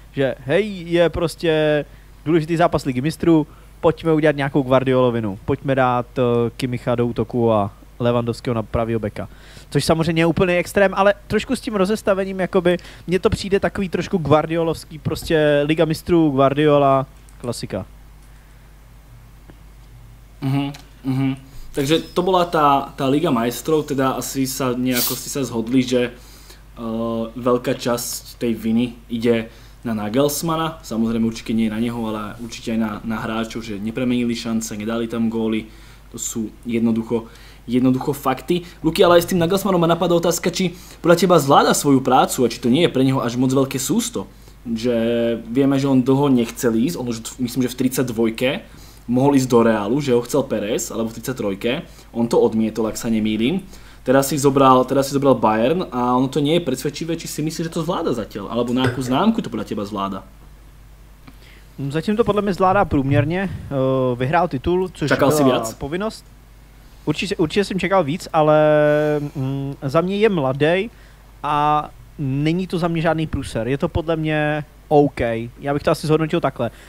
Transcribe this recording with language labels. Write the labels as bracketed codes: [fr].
[cs] Že hej, je prostě důležitý zápas Ligy mistrů, pojďme udělat nějakou guardiolovinu, pojďme dát Kimicha do útoku a Lewandowského na pravýho beka. Což samozřejmě je úplný extrém, ale trošku s tím rozestavením, jakoby, mně to přijde takový trošku guardiolovský, prostě Liga mistrů, Guardiola, klasika. [sk] Takže to byla ta Liga majstrov, teda asi sa nejako si sa zhodli, že velká časť tej viny ide na Nagelsmana, samozrejme určite nie na neho, ale určite aj na hráčov, že nepremenili šance, nedali tam góly, to sú jednoducho fakty. Luky, ale aj s tým Nagelsmanom ma napadá otázka, či podľa teba zvláda svoju prácu a či to nie je pre neho až moc veľké sústo. Že vieme, že on dlho nechcel ísť, on už myslím, že v 32-ke mohol ísť do Reálu, že ho chcel Perez, alebo v 33-ke. On to odmietol, ak sa nemýlim. Teraz si zobral Bayern a ono to nie je presvedčivé, či si myslíš, že to zvláda zatiaľ. Alebo na akú známku to podľa teba zvláda? [cs] Zatím to [sk] podľa mňa [cs] zvládá průměrně. Vyhrál titul, což [sk] čakal si viac? Povinnosť. [cs] Určitě jsem čekal víc, ale za mě je mladý a není to za mě žádný pruser. Je to podle mě OK. Já bych to asi zhodnotil takhle.